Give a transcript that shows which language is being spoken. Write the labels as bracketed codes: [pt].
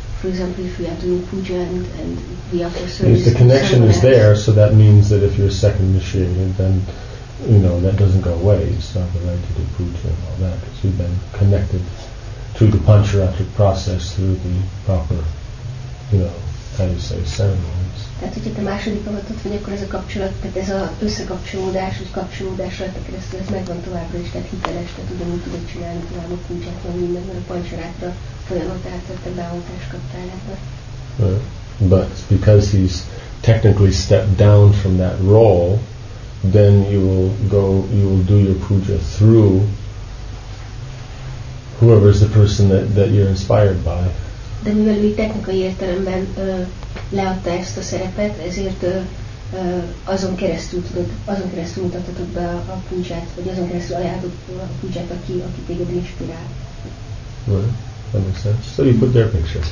[en] for example, if we have the Rupuja and the upper service. If the connection is there, so that means that if you're a second initiated, then, you know, that doesn't go away. You still have the right to do puja and all that, because you've been connected to the pancharatric process through the proper, you know, how you say, ceremonies. [hu] Tehát, hogyha te második avatott vagy, akkor ez a kapcsolat, tehát ez az összekapcsolódás, vagy kapcsolódás rajta keresztül, ez megvan továbbra is, tehát hiteles, tehát ugyanúgy tudod csinálni tovább a puja, vagy minden, mert a pancsarátra folyamatát, tehát te beavatást kaptál ebbe. [en] But because he's technically stepped down from that role, then you will do your puja through whoever is the person that you're inspired by. [hu] De mivel ő technikai értelemben leadta ezt a szerepet, ezért azon keresztül mutathatod be a pujját, vagy azon keresztül ajánlod a pujját, aki téged inspirál. [en] Right, that makes sense. So you put their pictures.